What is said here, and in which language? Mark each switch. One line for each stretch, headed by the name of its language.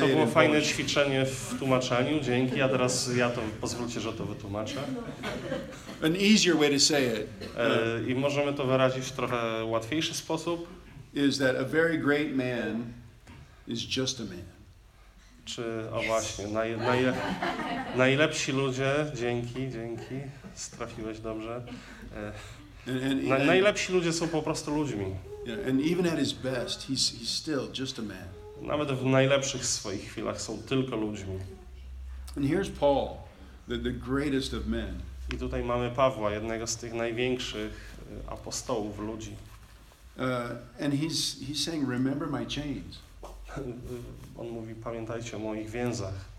Polish: To było fajne ćwiczenie w tłumaczeniu. Dzięki. A teraz ja to pozwólcie, że to wytłumaczę.
English: An easier way to say it.
Polish: I możemy to wyrazić w trochę łatwiejszy sposób.
English: Is that a very great man is just a man.
Polish: Czy o właśnie najlepsi ludzie. Dzięki. Strafiłeś dobrze. Najlepsi ludzie są po prostu ludźmi.
English: And even at his best, he's still just a man.
Polish: Nawet w najlepszych swoich chwilach są tylko ludźmi.
English: And here's Paul, the greatest of men.
Polish: I tutaj mamy Pawła, jednego z tych największych apostołów ludzi.
English: And he's saying, remember my chains.
Polish: On mówi, pamiętajcie o moich więzach.